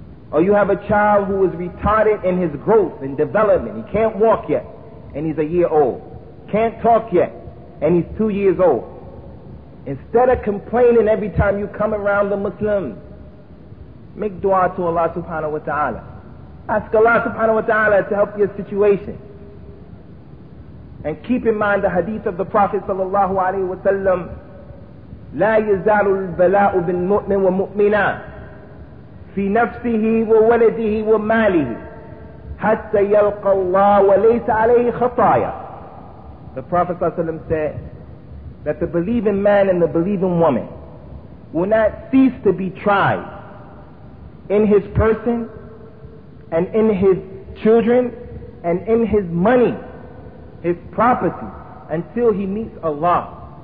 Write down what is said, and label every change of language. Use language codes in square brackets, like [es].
[en] Or you have a child who is retarded in his growth and development. He can't walk yet, and he's a year old. Can't talk yet, and he's 2 years old. Instead of complaining every time you come around the Muslims, make dua to Allah subhanahu wa ta'ala. Ask Allah subhanahu wa ta'ala to help your situation. And keep in mind the hadith of the Prophet sallallahu alayhi wa sallam, [ar] لَا يَزَالُ الْبَلَاءُ بِالْمُؤْمِنِ وَمُؤْمِنَا فِي نَفْسِهِ وَوَلَدِهِ وَمَالِهِ حَتَّى يَلْقَ اللَّهُ وَلَيْسَ عَلَيْهِ خَطَايَا. [en] The Prophet sallallahu alayhi wa sallam said that the believing man and the believing woman will not cease to be tried in his person and in his children and in his money, his property, until he meets Allah.